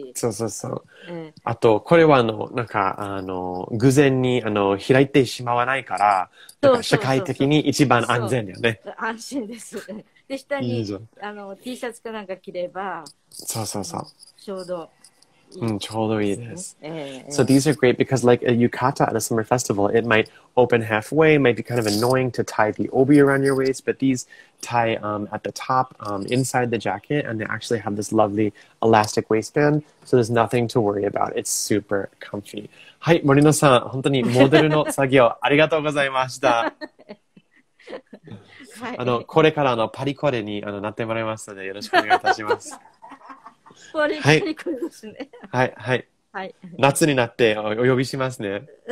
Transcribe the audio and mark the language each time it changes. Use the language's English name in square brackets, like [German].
[Japanese] うんうんうん、そうそうそう。あと、これは、あの、なんか、あの、偶然に、あの、開いてしまわないから、そうそうそう、社会的に一番安全だよね。安心です。で、下にいい、あの、T シャツかなんか着れば、そうそうそう。ちょうど。うん、ちょうどいいです。 [English] So these are great because like a yukata at a summer festival, it might open halfway, might be kind of annoying to tie the obi around your waist, but these tie at the top inside the jacket, and they actually have this lovely elastic waistband, so there's nothing to worry about. It's super comfy. [Japanese] はい、森野さん、本当にモデルの作業ありがとうございました。あの、これからのパリコレにあのなってもらいますので、よろしくお願いいたします。はい、はい、はい、はい、夏になってお呼びしますね。